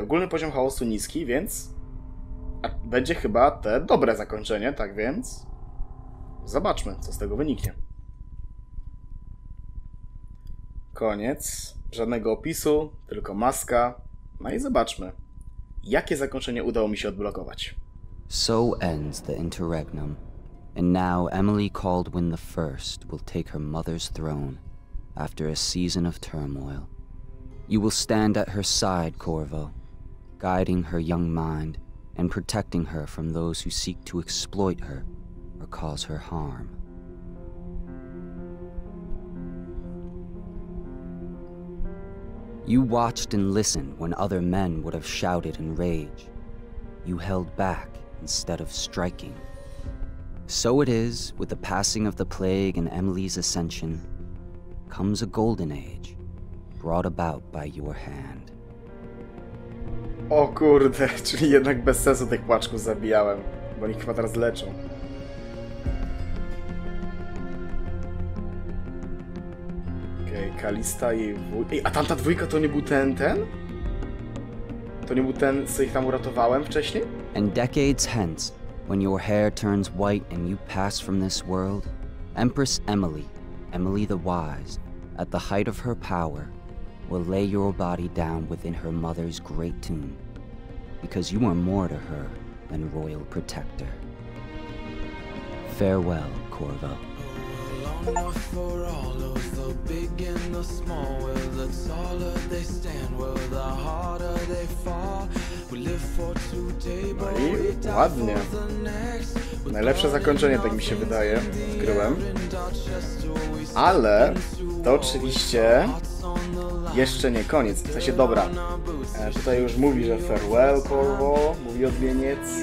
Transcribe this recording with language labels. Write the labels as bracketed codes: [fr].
[pl] Ogólny poziom chaosu niski, więc będzie chyba te dobre zakończenie, tak więc zobaczmy, co z tego wyniknie. Koniec, żadnego opisu, tylko maska. No i zobaczmy, jakie zakończenie udało mi się odblokować. [en] So ends the interregnum. And now Emily Caldwin the First will take her mother's throne after a season of turmoil. You will stand at her side, Corvo, guiding her young mind and protecting her from those who seek to exploit her or cause her harm. You watched and listened when other men would have shouted in rage. You held back instead of striking. So it is, with the passing of the plague and Emily's ascension, comes a golden age, brought about by your hand. [pl] O kurde, czyli jednak bez sensu tych płaczków zabijałem, bo oni chyba teraz leczą. Okej, okay, Kalista i wuj... Ej, a tamta dwójka to nie był ten? To nie był ten, co ich tam uratowałem wcześniej? [en] And decades hence, when your hair turns white and you pass from this world, Empress Emily, Emily the Wise, at the height of her power, will lay your body down within her mother's great tomb, because you are more to her than royal protector. Farewell, Corvo. Long for all of the big and the small, where the taller they stand, where the harder they fall. [pl] No i ładnie. Najlepsze zakończenie, tak mi się wydaje, odkryłem. Ale to oczywiście jeszcze nie koniec. W sensie, dobra, tutaj już mówi, że [en] farewell, Corvo, [pl] mówi odwieniec.